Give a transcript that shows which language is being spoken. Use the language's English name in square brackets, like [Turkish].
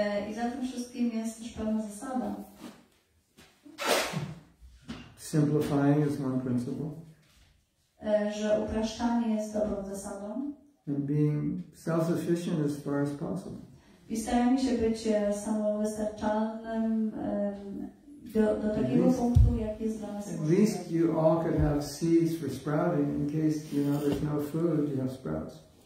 [Polish] I za tym wszystkim jest też pewna zasada. [English] Simplifying is one principle. [Polish] Że upraszczanie jest dobrą zasadą. [English] And being self-sufficient as far as possible. [Polish] I staramy się być samowystarczalnym do takiego punktu, jak jest dla nas. [English] At least you all could have seeds for sprouting in case, you know, there's no food, you have sprouts.